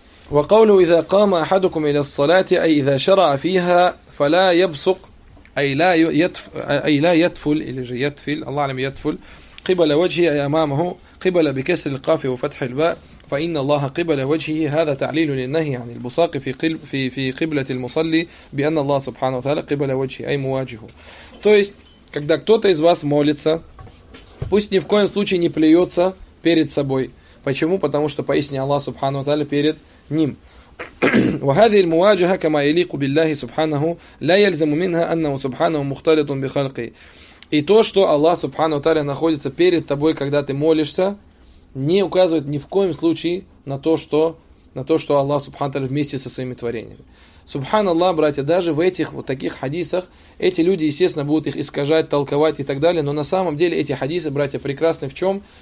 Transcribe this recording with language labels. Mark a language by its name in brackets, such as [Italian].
[Arabic] وقوله إذا قام أحدكم إلى الصلاة أي إذا شرع فيها فلا يبصق أي لا يتفل أي لا يتفل الله أعلم يتفل قبل وجهه أي أمامه قبل بكسر القاف وفتح الباء فإن الله قبل وجهه هذا تعليل للنهي عن البصاق في قبلة المصلي بأن الله سبحانه وتعالى قبل وجهه أي مواجهه. [Russian] То есть когда кто-то из вас молится, пусть ни в коем случае не плюется перед собой. Почему? Потому что поистине Аллах Субхану ва Тааля перед ним. [Arabic] وهذه المواجهة كما يليق بالله سبحانه لا يلزم منها أنه سبحانه مختلط بخلقه. [Russian] И то, что Аллах Субхану ва Тааля находится перед тобой, когда ты молишься, не указывает ни в коем случае на то, что Аллах Субхану ва Тааля вместе со своими творениями. Субханаллах, братья, даже в этих вот таких хадисах, эти люди, естественно, будут их искажать, толковать и так далее, но на самом деле эти хадисы, братья, прекрасны в чем?